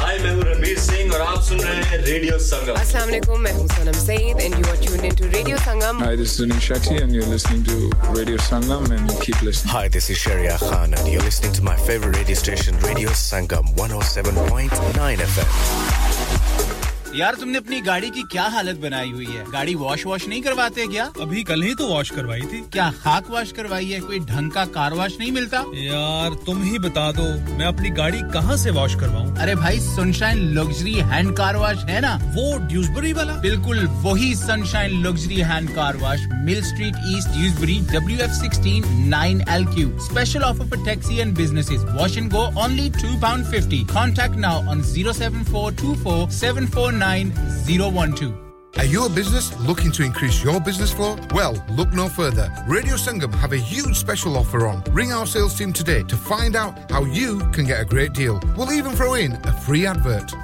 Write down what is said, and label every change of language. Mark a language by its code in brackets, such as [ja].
[hi] Hi, main hu Ranveer Singh aur aap sun rahe hain Radio Sangam. [en] Assalamu alaikum, [hi] main hu [en] Sanam Saeed and you are tuned into Radio Sangam. Hi, this is Anish Shetty and you're listening to Radio Sangam and keep listening. Hi, this is Sharia Khan and you're listening to my favorite radio station Radio Sangam 107.9 FM. [hi] यार तुमने अपनी गाड़ी की क्या हालत बनाई हुई है गाड़ी वॉश वॉश नहीं करवाते क्या अभी कल ही तो वॉश करवाई थी क्या खाक वॉश करवाई है कोई ढंग का कार वॉश नहीं मिलता यार तुम ही बता दो मैं अपनी गाड़ी कहां से वॉश करवाऊं अरे भाई sunshine luxury hand car wash है ना वो ड्यूसबरी वाला बिल्कुल वही [en] Sunshine Luxury Hand Car Wash Mill Street East Dewsbury WF16 9LQ special offer for taxi and businesses wash and go only £2.50 contact now on 07424 9012. Are you a business looking to increase your business flow? Well, look no further. Radio Sangam have a huge special offer on. Ring our sales team today to find out how you can get a great deal. We'll even throw in a free advert.